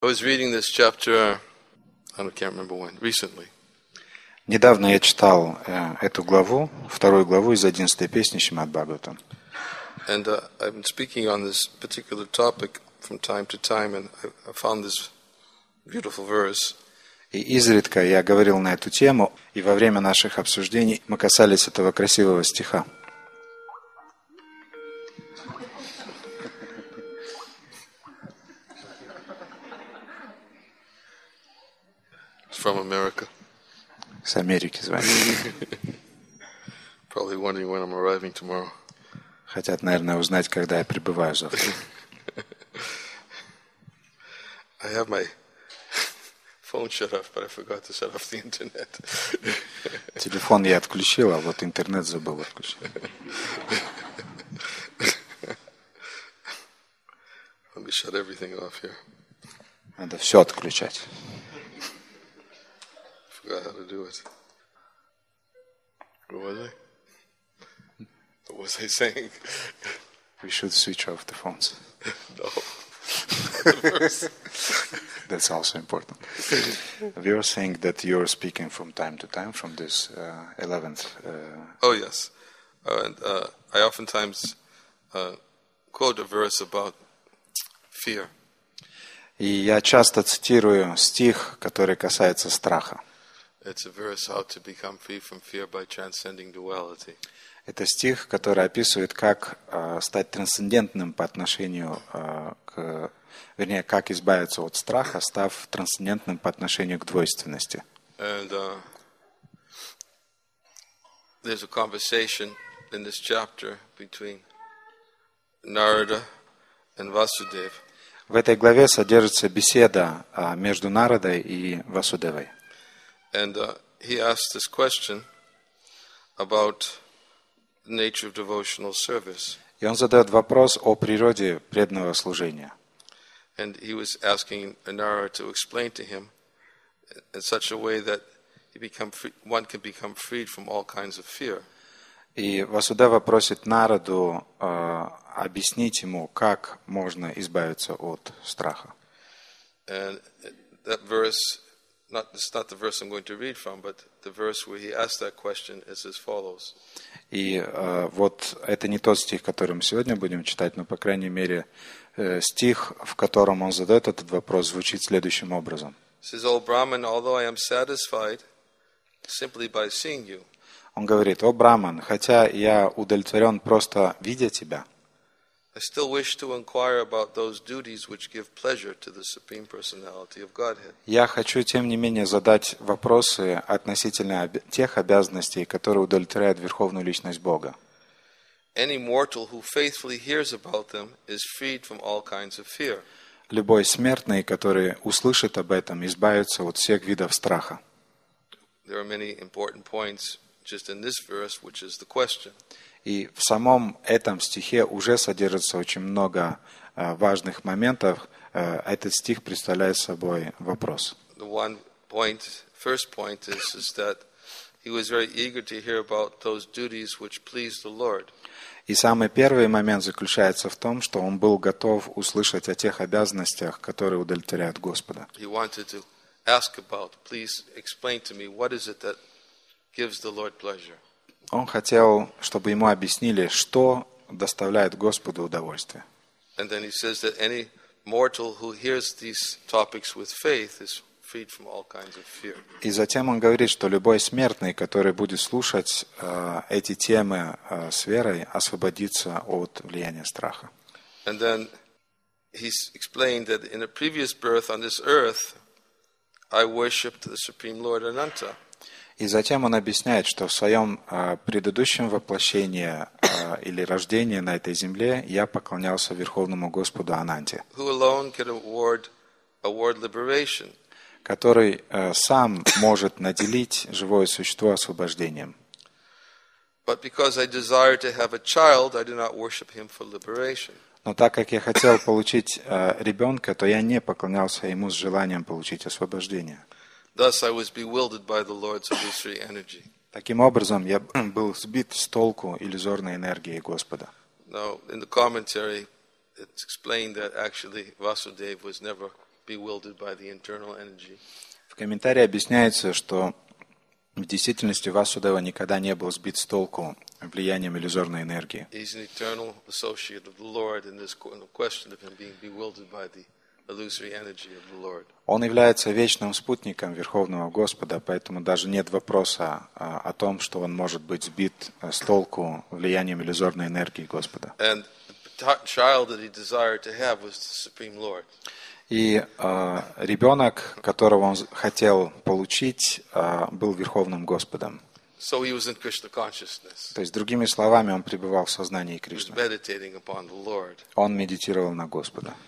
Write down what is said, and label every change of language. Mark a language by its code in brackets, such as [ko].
[en] was reading this chapter, I can't remember when, recently. [ru] Недавно я читал эту главу, вторую главу из 11 песни Шримад-Бхагаватам. [en] And I've been speaking on this particular topic from time to time, and I found this beautiful verse. [ru] И изредка я говорил на эту тему, и во время наших обсуждений мы касались этого красивого стиха. [en] From America. [ru] С Америки [en] Probably wondering when I'm arriving tomorrow. [ru] Хотят, наверное, узнать, когда я прибываю завтра. [en] I have my phone shut off, but I forgot to shut off the internet. [ru] Телефон я отключил, а вот интернет забыл отключить. [en] Let me shut everything off here. [ru] Надо все отключать. [en] Forgot how to do it. What was I? What was I saying? We should switch off the phones. No. That's also important. We were saying that you're speaking from time to time from this 11th. Oh yes, and I oftentimes quote a verse about fear. [ru] И я часто цитирую стих, который касается страха. [en] It's a verse how to become free from fear by transcending duality. [ru] Это стих, который описывает, как стать трансцендентным по отношению к, вернее, как избавиться от страха, став трансцендентным по отношению к двойственности. [en] And there's a conversation in this chapter between Narada and Vasudev. [ru] В этой главе содержится беседа между Нарадой и Васудевой. [en] And he asked this question about the nature of devotional service. [ru] И он задает вопрос о природе преданного служения. [en] And he was asking Nara to explain to him in such a way that he become free, one can become freed from all kinds of fear. [ru] И Васудева просит Нараду объяснить ему, как можно избавиться от страха. [en] And that verse, not, it's not the verse I'm going to read from, but the verse where he asked that question is as follows. [ru] И вот это не тот стих, который мы сегодня будем читать, но, по крайней мере, стих, в котором он задает этот вопрос, звучит следующим образом. [en] Says, O Brahman, although I am satisfied simply by seeing you, [ru] Он говорит, «О, Брахман, хотя я удовлетворен просто видя тебя, [en] I still wish to inquire about those duties which give pleasure to the Supreme Personality of Godhead. [ru] Я хочу, тем не менее, задать вопросы относительно тех обязанностей, которые удовлетворяют Верховную Личность Бога. [en] Any mortal who faithfully hears about them is freed from all kinds of fear. [ru] Любой смертный, который услышит об этом, избавится от всех видов страха. [en] There are many important points just in this verse, which is the question. [ru] И в самом этом стихе уже содержится очень много важных моментов. Этот стих представляет собой вопрос. [en] The one point, first point is that he was very eager to hear about those duties which please the Lord. [ru] И самый первый момент заключается в том, что он был готов услышать о тех обязанностях, которые удовлетворяют Господа. [en] He wanted to ask about, please explain to me, what is it that gives the Lord pleasure? [ru] Он хотел, чтобы ему объяснили, что доставляет Господу удовольствие. [en] And then he says that any mortal who hears these topics with faith is freed from all kinds of fear. [ru] И затем он говорит, что любой смертный, который будет слушать эти темы с верой, освободится от влияния страха. [en] And then he's explained that in a previous birth on this earth, I worshipped the Supreme Lord Ananta. [ru] И затем он объясняет, что в своем предыдущем воплощении или рождении на этой земле я поклонялся Верховному Господу Ананте, [en] Who alone can award liberation? [ru] который сам может наделить живое существо освобождением. [en] But because I desire to have a child, I do not worship him for liberation. [ru] Но так как я хотел получить ребенка, то я не поклонялся ему с желанием получить освобождение. [en] Thus I was bewildered by the Lord's illusory energy. [ru] Таким образом, я был сбит с толку иллюзорной энергией Господа. [en] Now, in the commentary, it's explained that actually Vasudev was never bewildered by the internal energy. [ru] В комментарии объясняется, что в действительности Васудева никогда не был сбит с толку влиянием иллюзорной энергии. [en] He's an eternal associate of the Lord, and there's no question of him being bewildered by the illusory energy of the Lord. [ru] Он является вечным спутником Верховного Господа, поэтому даже нет вопроса о том, что он может быть сбит с толку влиянием иллюзорной энергии Господа. [en] And the child that he desired to have was the Supreme Lord. [ru] И ребенок, которого он хотел получить, был Верховным Господом. [en] So he was in Krishna consciousness. [ru] То есть, другими словами, он пребывал в сознании Кришны. [en] He was meditating upon the Lord. [ru] Он медитировал на Господа.